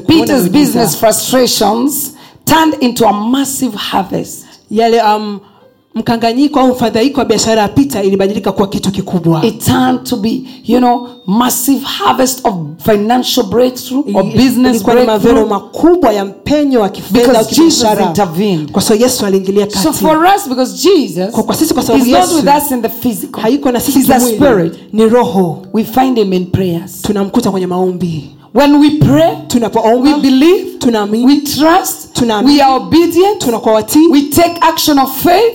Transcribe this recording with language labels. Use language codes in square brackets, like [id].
[sw] kuona. [en] Peter's business frustrations turned into a massive harvest. [sw] Yale mkanganyiko au mfadhaiko wa biashara ya Peter ilibadilika kuwa kitu kikubwa. [en] It turned to be, you know, massive harvest of financial breakthrough or business breakthrough. [sw] Ilikuwa mavuno makubwa ya mpenyo wa kifedha wa kibiashara. Kwa sababu Yesu aliingilia kati. [en] So for us, because Jesus, [sw] kwa sisi kwa sababu [en] Yesu, he's not with us in the physical. [sw] Hayuko na sisi kimwili. [en] He's a spirit. [sw] Ni roho. [en] We find him in prayers. [sw] Tunamkuta kwenye maombi. [en] When we pray, [sw] tunapoomba, [en] we believe, [sw] tunaamini, [en] we trust, [sw] tunaamini, [en] we are obedient, [sw] tunakuwa watii, [en] we take action of faith,